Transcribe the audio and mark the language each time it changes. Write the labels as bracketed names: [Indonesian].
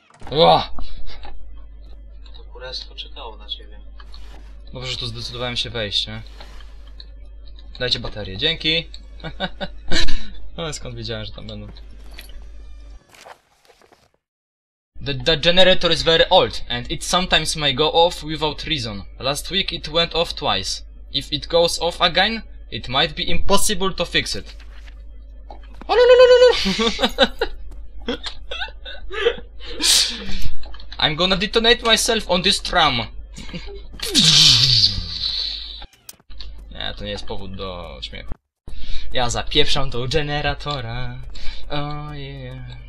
[Polish] Ła! Poczekało na ciebie. Dobrze, że tu zdecydowałem się wejść, nie? Dajcie baterię, dzięki! Ale skąd wiedziałem, że tam będą? [English] The generator is very old, and it sometimes may go off without reason. Last week it went off twice. If it goes off again, it might be impossible to fix it. Oh no no no no no! I'm gonna detonate myself on this tram. [Polish] Nie, to nie jest powód do śmiechu. Ja zapieprzam tą generatora. [English] Oh yeah.